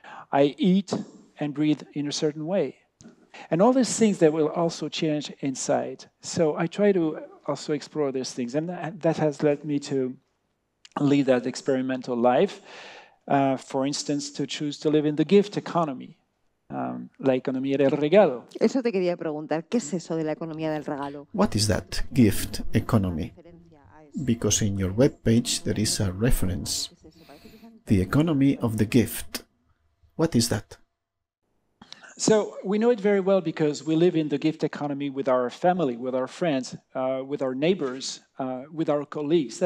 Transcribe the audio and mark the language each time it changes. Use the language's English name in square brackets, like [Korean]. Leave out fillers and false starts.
[English] I eat and breathe in a certain way. And all these things that will also change inside. So I try to also explore these things. And that has led me to lead that experimental life. For instance, to choose to live in the gift economy. [Spanish] La economía del regalo. Eso te quería preguntar. ¿Qué es eso de la economía del regalo? [English] What is that gift economy? Because in your webpage there is a reference. The economy of the gift. What is that? So we know it very well because we live in the gift economy with our family, with our friends, with our neighbors, with our colleagues.